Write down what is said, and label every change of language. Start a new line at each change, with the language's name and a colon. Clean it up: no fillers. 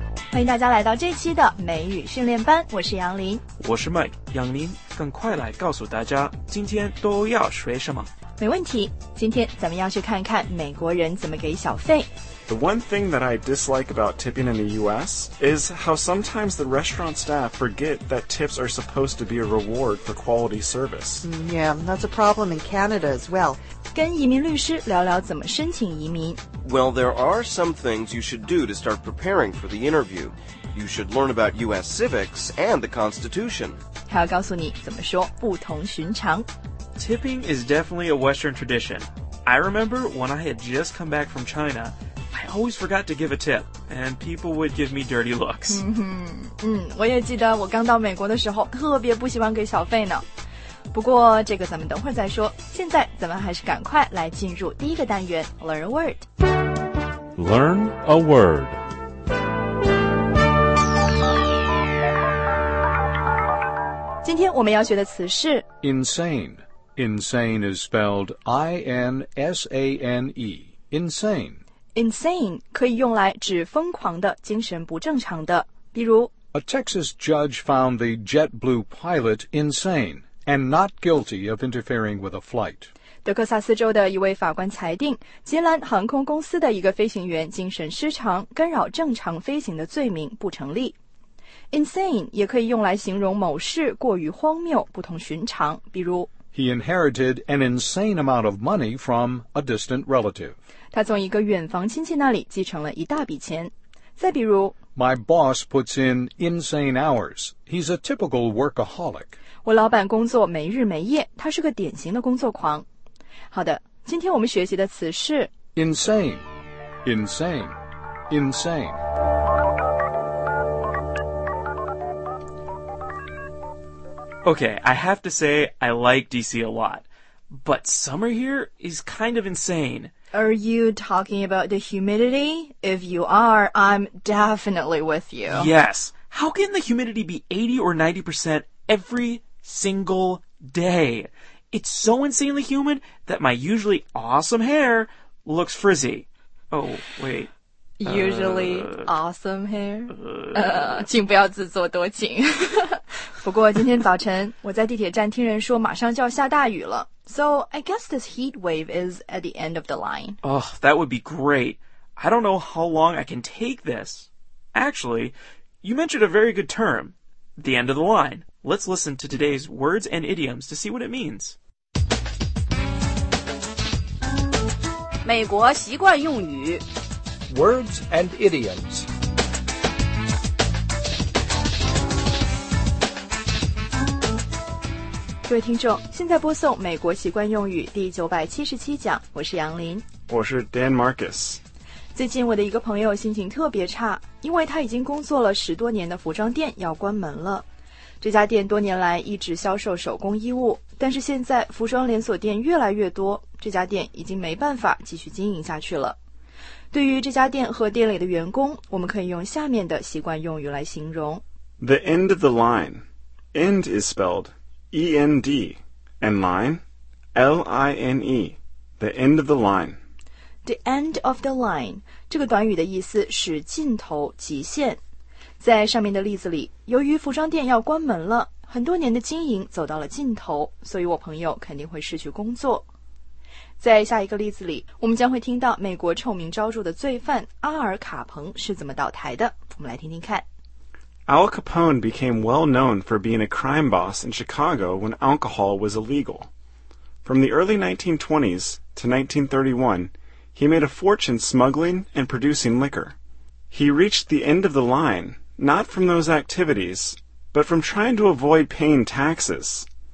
Chinese: 欢迎大家来到这期的美语训练班，我是杨林，我是 Mike。杨林，赶快来告诉大家今天都要学什么。没问题，今天咱们要去看看美国人怎么给小费。
English: The one thing that I dislike about tipping in the U.S. is how sometimes the restaurant staff forget that tips are supposed to be a reward for quality service. Yeah, that's a problem in Canada as well.
Chinese: 跟移民律师聊聊怎么申请移民。
English: Well, there are some things you should do to start preparing for the interview. You should learn about U.S. civics and the Constitution.
Chinese: 他要告诉你怎么说不同寻常。
English: Tipping is definitely a Western tradition. I remember when I had just come back from China,I always forgot to give a tip, and people would give me dirty looks.
Chinese: 我也记得我刚到美国的时候特别不喜欢给小费呢。不过这个咱们等会儿再说，现在咱们还是赶快来进入第一个单元
English: Learn a Word. Learn a Word. Today we're going to learn the word insane. Insane is spelled I-N-S-A-N-E. Insane.
Chinese: Insane 可以用来指疯狂的、精神不正常的，比如
English: A Texas judge found the JetBlue pilot insane and not guilty of interfering with a flight.
Chinese: 德克萨斯州的一位法官裁定捷兰航空公司的一个飞行员精神失常、干扰正常飞行的罪名不成立。 Insane 也可以用来形容某事过于荒谬、不同寻常，比如
English: He inherited an insane amount of money from a distant relative.
Chinese: 他从一个远房亲戚那里继承了一大笔钱。再比如
English: My boss puts in insane hours. He's a typical workaholic.
Chinese: 我老板工作没日没夜，他是个典型的工作狂。好的，今天我们学习的词是
English: insane, insane, insane. Okay, I have to say I like D.C. a lot, but summer here is kind of insane. Are you talking about the humidity? If you are, I'm definitely with you. Yes. How can the humidity be 80 or 90% every single day? It's so insanely humid that my usually awesome hair looks frizzy. Oh, wait. Usually awesome hair?
Chinese: 请不要自作多情。不过今天早晨我在地铁站听人说马上就要下大雨了。
English: So, I guess this heat wave is at the end of the line. Oh, that would be great. I don't know how long I can take this. Actually, you mentioned a very good term, the end of the line. Let's listen to today's words and idioms to see what it means.
Chinese: 美国习惯用语。
English: Words and idioms.
Chinese: 各位听众，现在播送美国习惯用语第977讲，我是杨林，我是 Dan Marcus。最近我的一个朋友心情特别差，因为他已经工作了十多年的服装店要关门了。这家店多年来一直销售手工衣物，但是现在服装连锁店越来越多，这家店已经没办法继续经营下去了。对于这家店和店里的员工，我们可以用下面的习惯用语来形容。
English: The end of the line. End is spelledEND, and line, L-I-N-E, the end of the line. The end of the line,
Chinese: 这个短语的意思是尽头、极限。在上面的例子里，由于服装店要关门了，很多年的经营走到了尽头，所以我朋友肯定会失去工作。在下一个例子里，我们将会听到美国臭名昭著的罪犯阿尔卡彭是怎么倒台的，我们来听听看。
English: Al Capone became well known for being a crime boss in Chicago when alcohol was illegal. From the early 1920s to 1931, he made a fortune smuggling and producing liquor. He reached the end of the line, not from those activities, but from trying to avoid paying taxes.